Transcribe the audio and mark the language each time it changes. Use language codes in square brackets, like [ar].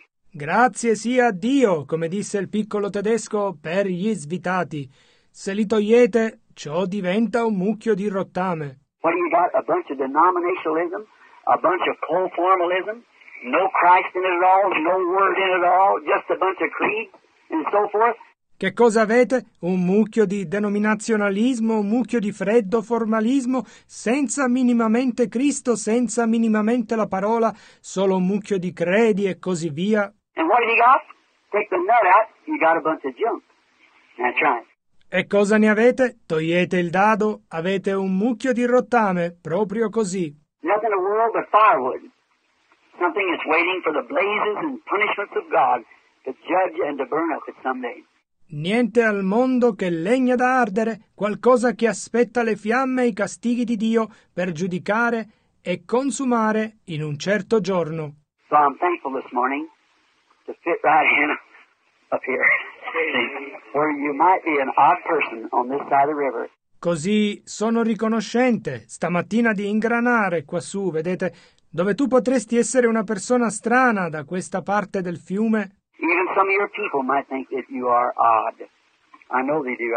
[it] Grazie sia a Dio, come disse il piccolo tedesco, per gli svitati. Se li togliete, ciò diventa un mucchio di rottame. [en] What do you got? A bunch of denominationalism, a bunch of cold formalism, no Christ in it all, no word in it all, just a bunch of creed and so forth. [it] Che cosa avete? Un mucchio di denominazionalismo, un mucchio di freddo formalismo, senza minimamente Cristo, senza minimamente la parola, solo un mucchio di credi e così via. [en] And what have you got? Take the nut out, you got a bunch of junk. That's right. [it] E cosa ne avete? Togliete il dado, avete un mucchio di rottame, proprio così. [en] Nothing in the world but firewood. Something that's waiting for the blazes and punishments of God to judge and to burn us at some day. [it] Niente al mondo che legna da ardere, qualcosa che aspetta le fiamme e i castighi di Dio per giudicare e consumare in un certo giorno. [en] So I'm thankful this morning to fit right in up here, where you might be an odd person on this side of the river. [it] Così sono riconoscente stamattina di ingranare quassù, vedete, dove tu potresti essere una persona strana da questa parte del fiume. [en] Even some of your people might think that you are odd. I know they do.